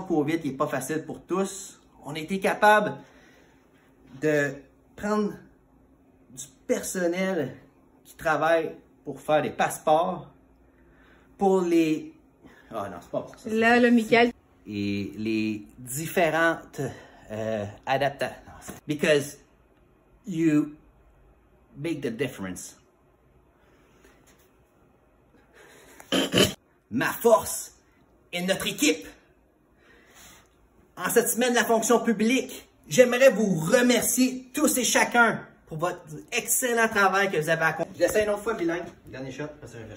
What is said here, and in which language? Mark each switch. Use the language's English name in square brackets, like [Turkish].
[French] Le COVID n'est pas facile pour tous. On a été capable de prendre du personnel qui travaille pour faire des passeports pour les... Ah oh, non, c'est pas pour ça. Là, le Michael. Et les différentes adaptations. [English] Because you make the difference. [French] Ma force et notre équipe. En cette semaine de la fonction publique, j'aimerais vous remercier tous et chacun pour votre excellent travail que vous avez accompli. J'essaie une autre fois, bilingue. Dernier shot, parce que j'ai